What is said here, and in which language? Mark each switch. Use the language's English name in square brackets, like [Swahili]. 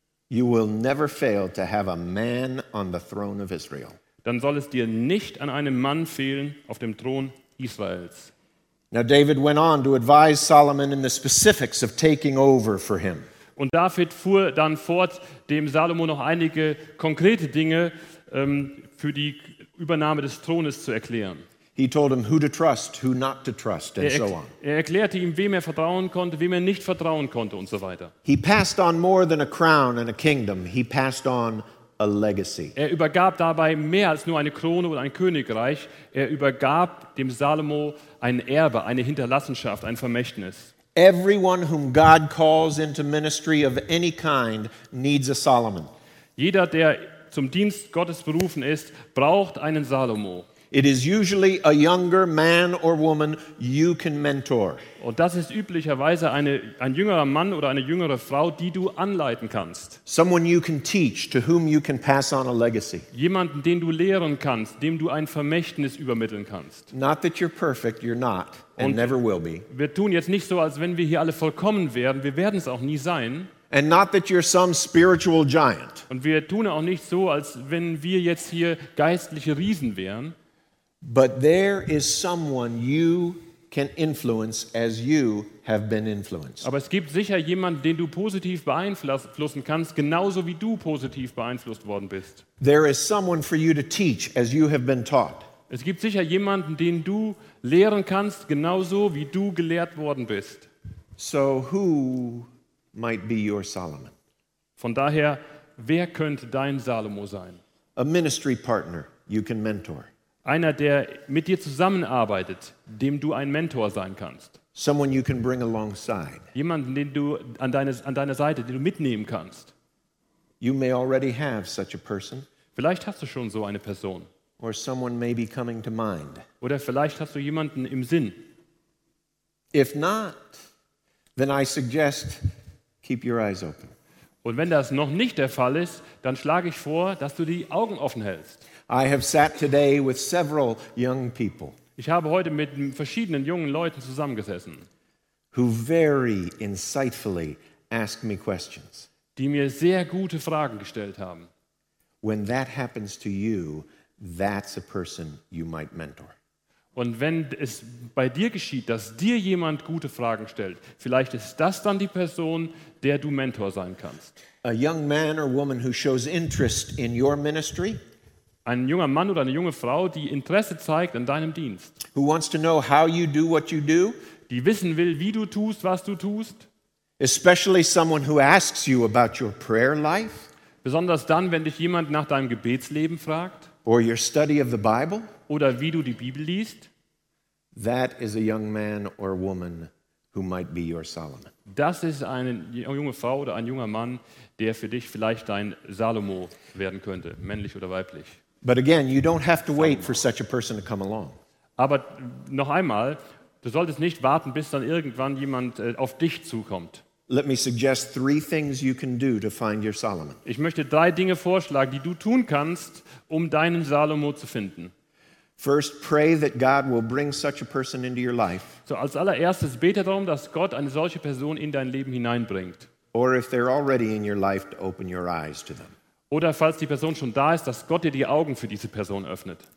[English] you will never fail to have a man on the throne of Israel. [German] Dann soll es dir nicht an einem Mann fehlen auf dem Thron Israels. [English] Now David went on to advise Solomon in the specifics of taking over for him. [German] Und David fuhr dann fort, dem Salomo noch einige konkrete Dinge für die Übernahme des Thrones zu erklären. [English] He told him who to trust, who not to trust, and so on. [German] Er erklärte ihm, wem er vertrauen konnte, wem er nicht vertrauen konnte, und so weiter. [English] He passed on more than a crown and a kingdom. He passed on a legacy. [German] Er übergab dabei mehr als nur eine Krone oder ein Königreich. Er übergab dem Salomo ein Erbe, eine Hinterlassenschaft, ein Vermächtnis. [English] Everyone whom God calls into ministry of any kind needs a Solomon. [German] Jeder, der zum Dienst Gottes berufen ist, braucht einen Salomo. [English] It is usually a younger man or woman you can mentor. [German] Und das ist üblicherweise ein jüngerer Mann oder eine jüngere Frau, die du anleiten kannst. [English] Someone you can teach, to whom you can pass on a legacy. [German] Jemanden, den du lehren kannst, dem du ein Vermächtnis übermitteln kannst. [English] Not that you're perfect, you're not, and never will be. [German] Wir tun jetzt nicht so, als wenn wir hier alle vollkommen wären. Wir werden es auch nie sein. [English] And not that you're some spiritual giant. [German] Und wir tun auch nicht so, als wenn wir jetzt hier geistliche Riesen wären. [English] But there is someone you can influence as you have been influenced. [German] Aber es gibt sicher jemanden, den du positiv beeinflussen kannst, genauso wie du positiv beeinflusst worden bist. [English] There is someone for you to teach as you have been taught. [German] Es gibt sicher jemanden, den du lehren kannst, genauso wie du gelehrt worden bist. [English] So who might be your Solomon? [German] Von daher, wer könnte dein Salomo sein? [English] A ministry partner you can mentor. [German] Einer, der mit dir zusammenarbeitet, dem du ein Mentor sein kannst. [English] Someone you can bring alongside. [German] Jemanden, den du an deiner Seite, den du mitnehmen kannst. [English] You may already have such a person. [German] Vielleicht hast du schon so eine Person. [English] Or someone may be coming to mind. [German] Oder vielleicht hast du jemanden im Sinn. [English] If not, then I suggest keep your eyes open. [German] Und wenn das noch nicht der Fall ist, dann schlage ich vor, dass du die Augen offen hältst. [English] I have sat today with several young people. [German] Ich habe heute mit verschiedenen jungen Leuten zusammengesessen. [English] Who very insightfully asked me questions. [German] Die mir sehr gute Fragen gestellt haben. [English] When that happens to you, that's a person you might mentor. [German] Und wenn es bei dir geschieht, dass dir jemand gute Fragen stellt, vielleicht ist das dann die Person, der du Mentor sein kannst. [English] A young man or woman who shows interest in your ministry. [German] Ein junger Mann oder eine junge Frau, die Interesse zeigt an deinem Dienst. [English] Who wants to know how you do what you do? [German] Die wissen will, wie du tust, was du tust. [English] Especially someone who asks you about your prayer life. [German] Besonders dann, wenn dich jemand nach deinem Gebetsleben fragt. [English] Or your study of the Bible. [German] Oder wie du die Bibel liest. [English] That is a young man or woman who might be your Solomon. [German] Das ist eine junge Frau oder ein junger Mann, der für dich vielleicht dein Salomo werden könnte, männlich oder weiblich. [English] But again, you don't have to wait for such a person to come along. [German] Aber noch einmal, du solltest nicht warten, bis dann irgendwann jemand auf dich zukommt. [English] Let me suggest three things you can do to find your Solomon. [German] Ich möchte drei Dinge vorschlagen, die du tun kannst, um deinen Salomo zu finden. [English] First, pray that God will bring such a person into your life. [German] So als allererstes bete darum, dass Gott eine solche Person in dein Leben hineinbringt. [English] Or if they're already in your life, to open your eyes to them. [German] Oder falls die Person schon da ist, dass Gott dir die Augen für diese Person öffnet.